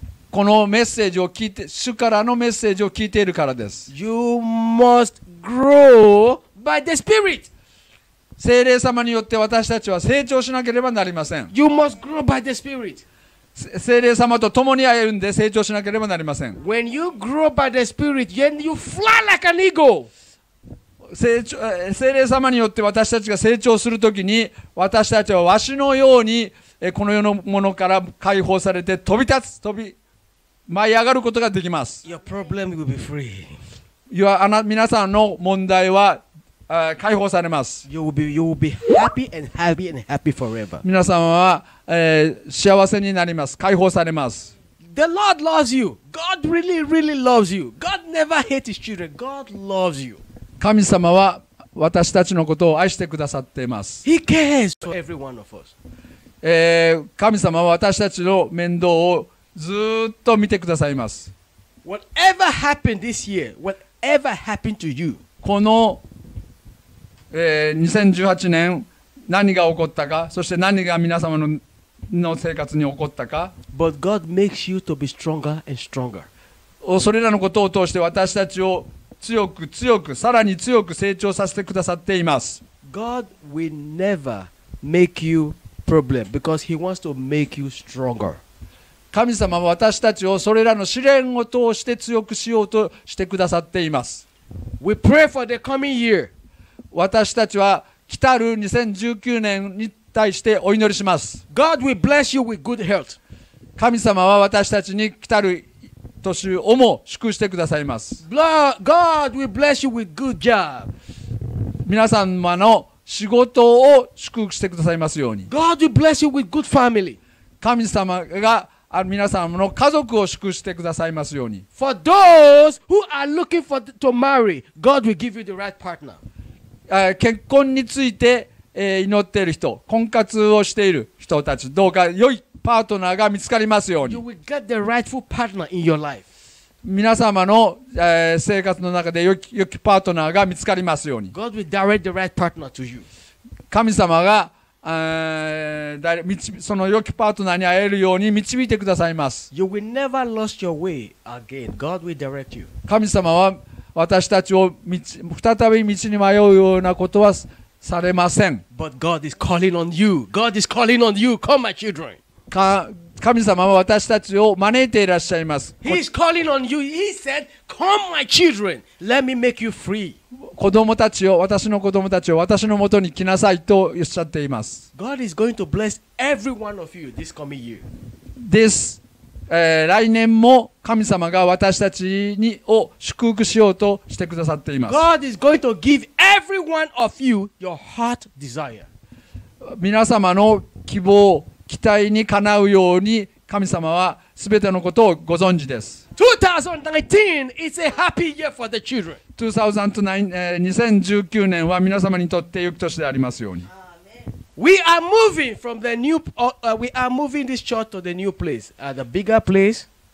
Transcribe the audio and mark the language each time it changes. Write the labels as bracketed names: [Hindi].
[Japanese] このメッセージを聞いて、主からのメッセージを聞いているからです。 [English] You must grow by the Spirit. [Japanese] 聖霊様によって私たちは成長しなければなりません。 [English] You must grow by the Spirit. [Japanese] 聖霊様と共に歩んで成長しなければなりません。 [English] When you grow by the Spirit, then you fly like an eagle. [Japanese] 聖霊様によって私たちが成長するときに私たちはわしのようにこの世のものから解放されて飛び立つ飛び舞い上がることができます。 [English] Your problem will be free. [Japanese] 皆さんの問題は解放されます。 [English] You will be happy and happy and happy forever. [Japanese] 皆さんは幸せになります。解放されます。 [English] The Lord loves you. God really, really loves you. God never hates his children. God loves you. [Japanese] 神様は私たちのことを愛してくださっています。 [English] He cares for every one of us. [Japanese] 神様は私たちの面倒をずっと見てくださいます。 [English] Whatever happened this year, whatever happened to you? [Japanese] この、2018年、何が起こったか、そして何が皆様のの生活に起こったか。 [English] But God makes you to be stronger and stronger. [Japanese] それらのことを通して私たちを強く強くさらに強く成長させてくださっています。 [English] God will never make you problem because He wants to make you stronger. [Japanese] 神様は私たちをそれらの試練を通して強くしようとしてくださっています。 [English] We pray for the coming year. [Japanese] 私たちは来たる2019年に対してお祈りします。 [English] God will bless you with good health. [Japanese] 神様は私たちに来たる年をも祝してくださいます。 [English] God will bless you with good job. [Japanese] 皆様の仕事を祝福してくださいますように。 [English] God will bless you with good family. [Japanese] 神様が皆様の家族を祝福してくださいますように。 [English] For those who are looking for to marry, God will give you the right partner. [Japanese] 結婚について祈っている人、婚活をしている人たち、どうか良いパートナーが見つかりますように。 [English] You will get the rightful partner in your life. [Japanese] 皆様の生活の中で良きパートナーが見つかりますように。 [English] God will direct the right partner to you. [Japanese] 神様がその良きパートナーに会えるように導いてくださいます。 [English] You will never lose your way again. God will direct you. [Japanese] 神様は私たちを再び道に迷うようなことはされません。 [English] But God is calling on you. God is calling on you. Come, my children. [Japanese] 神様は私たちを招いていらっしゃいます。 [English] He is calling on you. He said, "Come, my children. Let me make you free." [Japanese] 子供たちを、私の子供たちを私のもとに来なさいとおっしゃっています。 [English] God is going to bless every one of you this coming year. This [Japanese] 来年も神様が私たちにを祝福しようとしてくださっています。 [English] God is going to give every one of you your heart desire. [Japanese] 皆様の希望期待にかなうように神様はすべてのことをご存知です。 [English] 2019 is a happy year for the children. [Japanese] 2019年は皆様にとって良き年でありますように。 [English] We are moving from the new, we are moving this church to the new place, the bigger place.